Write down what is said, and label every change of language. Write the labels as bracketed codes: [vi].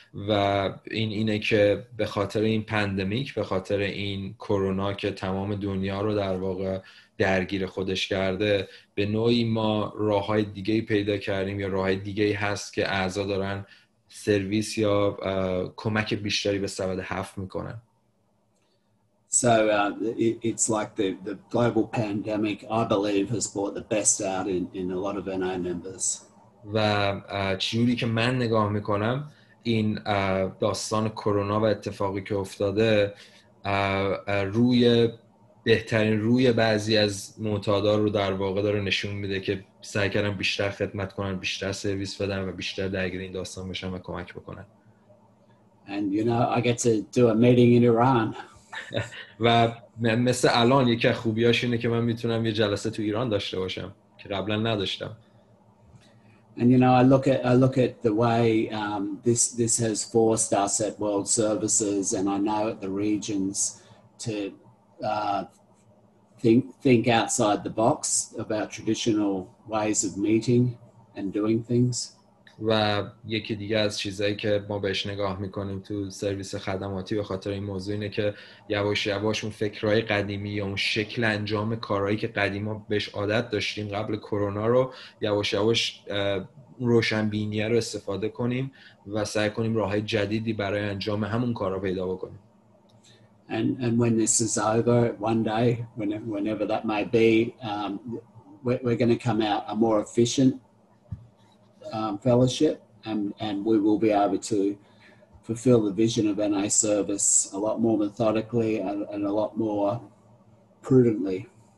[fa] و این اینه که به خاطر این پندمیک، به خاطر این کرونا که تمام دنیا رو در واقع درگیر خودش کرده، به نوعی ما راه‌های دیگه‌ای پیدا کردیم یا راه‌های دیگه‌ای هست که اعضا دارن سرویس یا کمک بیشتری به سبد هفت میکنن. [en] So it's like the global pandemic, I believe, has brought the best out in a lot of NA members. [fa] و چجوری که من نگاه میکنم این داستان کرونا و اتفاقی که افتاده روی بهترین روی بعضی از معتادا رو در واقع داره نشون میده که سعی کردن بیشتر خدمت کنن، بیشتر سرویس بدن و بیشتر درگیر این داستان بشن و کمک بکنن. [en] And you know, I get to do a meeting in Iran. [fa] و مثل الان یکی از خوبیاش اینه که من میتونم یه جلسه تو ایران داشته باشم که قبلا نداشتم. [en] And you know, I look at the way this has forced us at World Services, and I know at the regions to think outside the box about traditional ways of meeting and doing things. [fa] و یکی دیگه از چیزایی که ما بهش نگاه میکنیم تو سرویس خدماتی به خاطر این موضوع اینه که یواش یواش اون فکرهای قدیمی یا اون شکل انجام کارهایی که قدیما بهش عادت داشتیم قبل کرونا رو یواش یواش روشنبینیه رو استفاده کنیم و سعی کنیم راه جدیدی برای انجام همون کارا پیدا بکنیم. [en] And when this is over, one day, whenever that may be, we're going to come out a more efficient fellowship, and we will be able to fulfill the vision of NA service a lot more methodically and a lot more prudently.